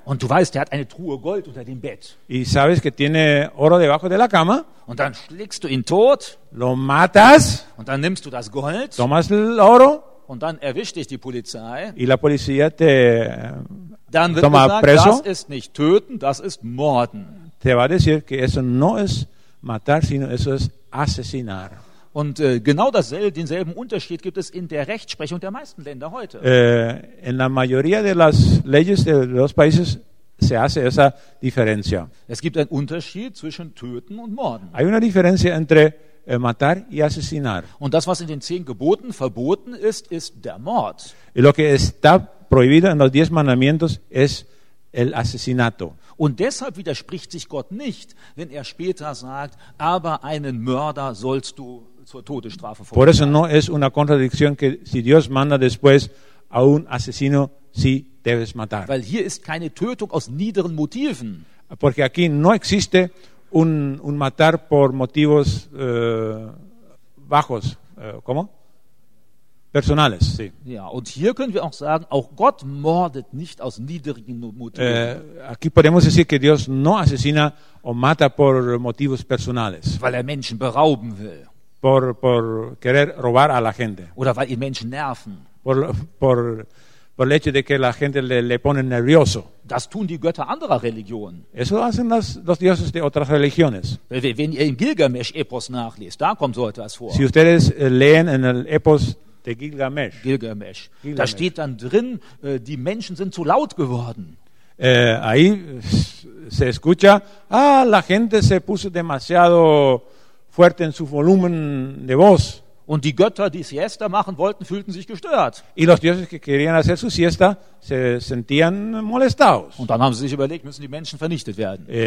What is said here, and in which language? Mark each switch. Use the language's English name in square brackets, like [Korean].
[German] Und du weißt, der hat eine Truhe Gold unter dem Bett. [Spanish] Y sabes que tiene oro debajo de la cama. [German] Und dann schlägst du ihn tot. [Spanish] Lo matas. [German] Und dann nimmst du das Gold. [Spanish] Tomas el oro. [German] und dann erwischt dich die Polizei. [Spanish] Y la policía te [German] dann wird [Spanish] toma [German] gesagt, [Spanish] preso. [German] Das ist nicht töten, das ist morden. [Spanish] Te va a decir que eso no es matar, sino eso es asesinar. [German] Und genau dasselbe, denselben Unterschied gibt es in der Rechtsprechung der meisten Länder heute. [Spanish] En la mayoría de las leyes de los países se hace esa diferencia. [German] Es gibt einen Unterschied zwischen töten und morden. [Spanish] Hay una diferencia entre matar y asesinar. [German] Und das, was in den 10 Geboten verboten ist, ist der Mord. [Spanish] Y lo que está prohibido en los 10 mandamientos es el asesinato. [German] Und deshalb widerspricht sich Gott nicht, wenn er später sagt, aber einen Mörder sollst du zur Todesstrafe verurteilen. [Spanish] Por eso no es una contradicción que si Dios manda después a un asesino, sí debes matar. [German] Weil hier ist keine Tötung aus niederen Motiven. [Spanish] Porque aquí no existe un matar por motivos bajos. ¿Cómo? Personales, sí. [German] Ja, und hier können wir auch sagen, auch Gott mordet nicht aus niedrigen Motiven. [Spanish] Aquí podemos decir que Dios no asesina o mata por motivos personales. [German] Weil er Menschen berauben will. [Spanish] Por querer robar a la gente. [German] Oder weil ihn Menschen nerven. [Spanish] Por el hecho de que la gente le pone nervioso. [German] Das tun die Götter anderer Religionen. [Spanish] Eso hacen los dioses de otras religiones. [German] Wenn ihr im Gilgamesch-Epos nachliest, da kommt so etwas vor. [Spanish] Si ustedes leen en el Epos de Gilgamesh. Gilgamesh. [German] Da steht dann drin, die Menschen sind zu laut geworden. [Spanish] Ahí se escucha, la gente se puso demasiado fuerte en su volumen de voz. [German] Und die Götter, die Siesta machen wollten, fühlten sich gestört. [Spanish] Y los dioses que querían hacer su siesta se sentían molestados. [German] Und dann haben sie sich überlegt, müssen die Menschen vernichtet werden.